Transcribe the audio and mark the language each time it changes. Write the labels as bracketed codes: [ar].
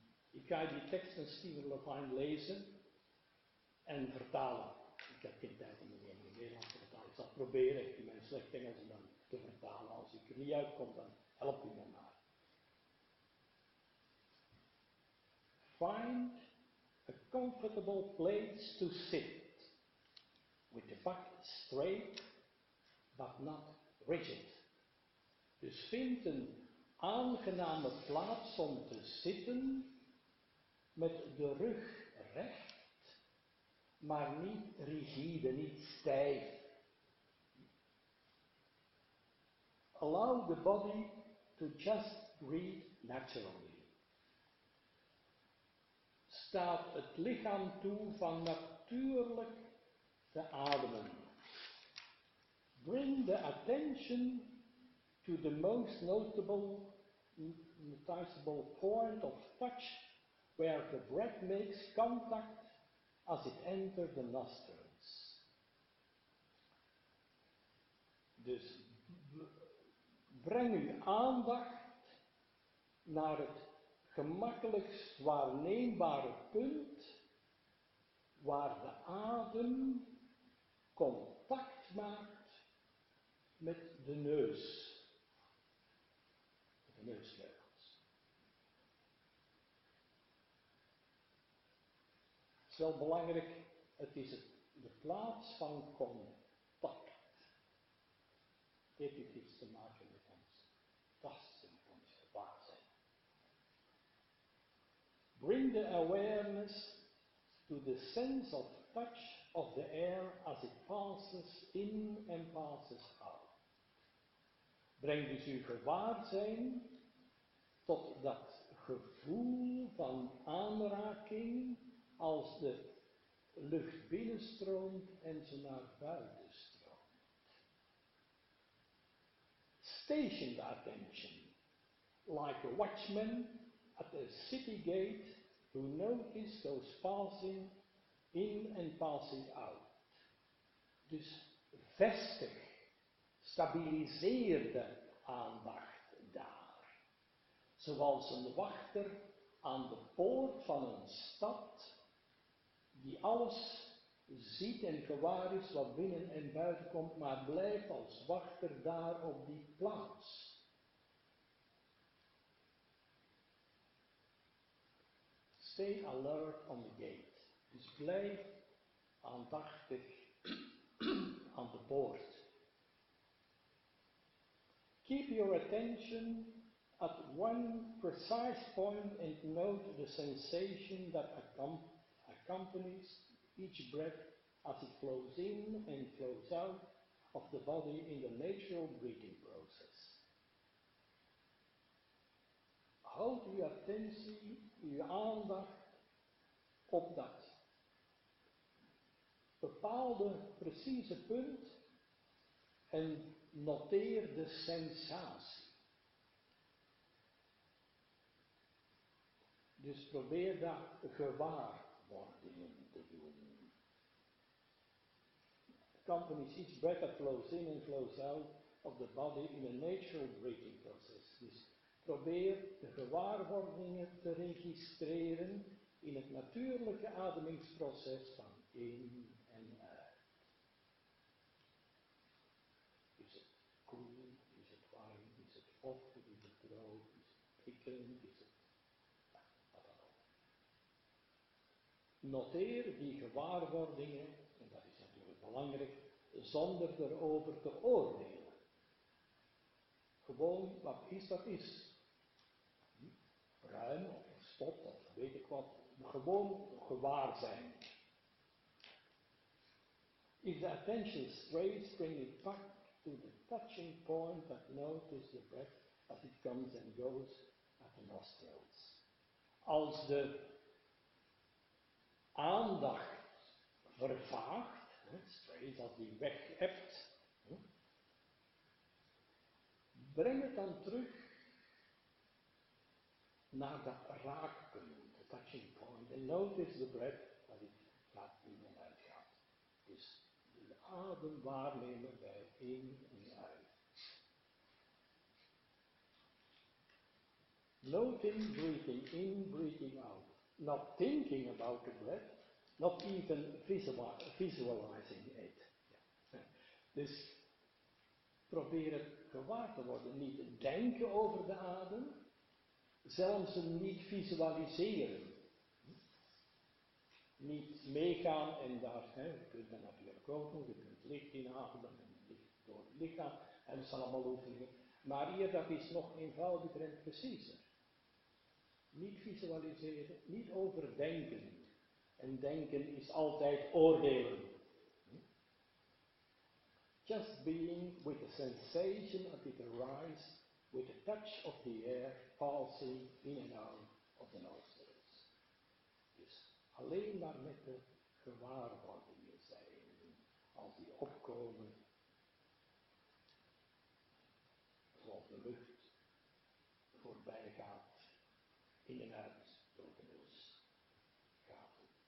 [nl] Ik ga die tekst van Stephen Levine lezen en vertalen. Ik heb geen tijd om het in het Nederlands te vertalen. Ik zal proberen in mijn slecht Engels dan te vertalen. Als ik er niet uitkom, dan help u me maar. [en] Find a comfortable place to sit, with the back straight, but not rigid. [nl] Dus vind een aangename plaats om te zitten, met de rug recht, maar niet rigide, niet stijf. [en] Allow the body to just breathe naturally. [nl] Staat het lichaam toe van natuurlijk te ademen. [en] Bring the attention to the most noticeable point of touch, where the breath makes contact as it enters the nostrils. [nl] Dus breng uw aandacht naar het gemakkelijkst waarneembare punt waar de adem contact maakt met de neus. De neusleuk. Het is wel belangrijk, het is de plaats van contact. heeft dit iets te maken met ons tasten, ons waar zijn. [en] Bring the awareness to the sense of touch of the air as it passes in and passes out. [nl] Breng dus uw gewaarzijn tot dat gevoel van aanraking als de lucht binnenstroomt en ze naar buiten stroomt. [en] Stationed attention, like a watchman at a city gate who notices those passing in and passing out. [nl] Dus vestig, stabiliseerde aandacht daar. Zoals een wachter aan de poort van een stad die alles ziet en gewaar is wat binnen en buiten komt, maar blijft als wachter daar op die plaats. [en] Stay alert on the gate. [nl] Dus blijf aandachtig aan de poort. [en] Keep your attention at one precise point and note the sensation that accompanies each breath as it flows in and flows out of the body in the natural breathing process. [nl] Houd uw attentie, uw aandacht op dat bepaalde precieze punt en noteer de sensatie. Dus probeer dat gewaarwordingen te doen. [en] Companies each breath that flows in and flows out of the body in a natural breathing process. [nl] Dus probeer de gewaarwordingen te registreren in het natuurlijke ademingsproces van in en uit. Is het koel, is het warm, is het vochtig, is het droog, is het prikkelend, is het wat dan ook. Noteer die gewaarwordingen, en dat is natuurlijk belangrijk, zonder erover te oordelen. Gewoon wat is dat is. Ruim of stop of weet ik wat, gewoon gewaar zijn. [en] If the attention strays, bring it back to the touching point that notices the breath as it comes and goes at the nostrils. [nl] Als de aandacht vervaagt, [en] strays, [nl] als die weg hebt, breng het dan terug naar dat raakpunt, [en] the touching point, and notice the breath [nl] dat het gaat in en uit gaat. Dus de adem waarnemen bij in en uit. [en] Noting, breathing in, breathing out. Not thinking about the breath, not even visualizing it. [nl] Dus probeer het gewaar te worden, niet denken over de adem, zelfs hem niet visualiseren. Niet meegaan en daar, hè, je kunt dat natuurlijk ook doen, je kunt licht inademen en licht door het lichaam, en dat zijn allemaal oefeningen. Maar hier, dat is nog eenvoudiger en preciezer. Niet visualiseren, niet overdenken. En denken is altijd oordelen. [en] Just being with the sensation that it arises, with a touch of the air passing in and out of the nostrils. [nl] Dus alleen maar met de gewaarwordingen zijn, als die opkomen, zoals de lucht voorbij gaat, in en uit door de neus gaat.